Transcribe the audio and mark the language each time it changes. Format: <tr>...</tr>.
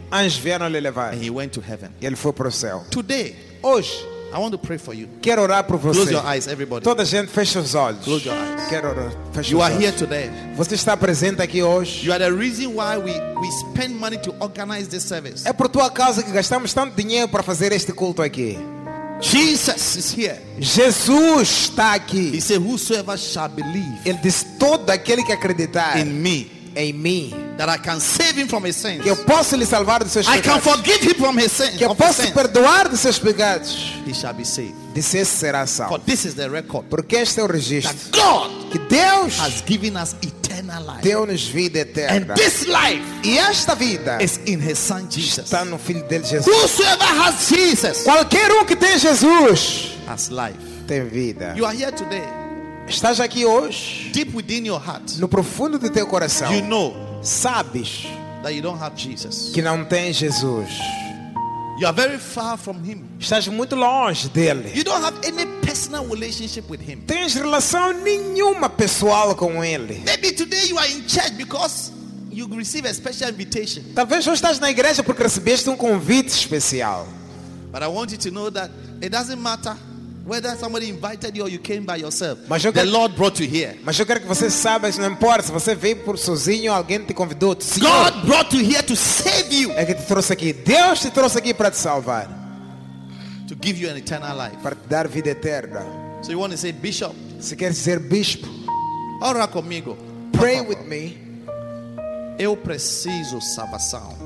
<pt>Anjos vieram lhe levar.</pt> <en>And he went to heaven.</en> <pt>E ele foi para o céu.</pt> <en>Today.</en> <pt>Hoje.</pt> <en>I want to pray for you.</en> <pt>Quero orar por você.</pt> <en>Close your eyes, everybody.</en> <pt>Toda gente fecha os olhos.</pt> <en>Close your eyes.</en> <pt>Quero orar. Fecha</pt> <en>you</en> <pt>os</pt> <en>are</en> <pt>olhos.</pt> <en>Here today.</en> <pt>Você está presente aqui hoje.</pt> <en>You are the reason why we spend money to organize this service.</en> <pt>É por tua causa que gastamos tanto dinheiro para fazer este culto aqui.</pt> <en>Jesus is here.</en> <pt>Jesus está aqui.</pt> <en>He said, "Whosoever shall believe."</en> <pt>Ele disse, todo aquele que acreditar</pt> <en>in me.</en> <pt>Em mim.</pt> <en>That I can save him from his sins.</en> <pt>Que eu posso lhe salvar dos seus pecados.</pt> <en>I can forgive him from his sins.</en> <pt>Que eu posso perdoar dos seus pecados.</pt> <en>He shall be saved.</en> <pt>Disse será salvo.</pt> <en>For this is the record.</en> <pt>Porque este é o registro.</pt> <en>That God</en> <pt>que Deus</pt> <en>has given us eternal life.</en> <pt>Deu-nos vida eterna.</pt> <en>And this life</en> <pt>e esta vida</pt> <en>is in his son Jesus.</en> <pt>Está no filho dele Jesus.</pt> <en>Whosoever has Jesus.</en> <pt>Qualquer que tem Jesus</pt> <en>has life.</en> <pt>Tem vida.</pt> <en>You are here today.</en> <pt>Estás aqui hoje.</pt> <en>Deep within your heart.</en> <pt>No profundo do teu coração.</pt> <en>You know.</en> <pt>Sabes</pt> <en>that you don't have Jesus.</en> <pt>Que não tens Jesus.</pt> <en>You are very far from him.</en> <pt>Estás muito longe dele.</pt> <en>You don't have any personal relationship with him.</en> <pt>Tens relação nenhuma pessoal com ele.</pt> <en>Maybe today you are in church because you receive a special invitation.</en> <pt>Talvez hoje estás na igreja porque recebeste convite especial.</pt> <en>But I want you to know that it doesn't matter whether somebody invited you or you came by yourself.</en> <pt>Mas</pt> <en>the Lord brought you here.</en> <pt>Mas eu quero que você saiba, isso não importa se você veio por sozinho ou alguém te convidou.</pt> <en>God Senhor, brought you here to save you.</en> <pt>É que te trouxe aqui. Deus te trouxe aqui para te salvar.</pt> <en>To give you an eternal life.</en> <pt>Para te dar vida eterna.</pt> <en>So you want to say bishop?</en> <pt>Se quer ser bispo. Ora comigo.</pt> <en>Pray with me.</en> <pt>Eu preciso salvação.</pt>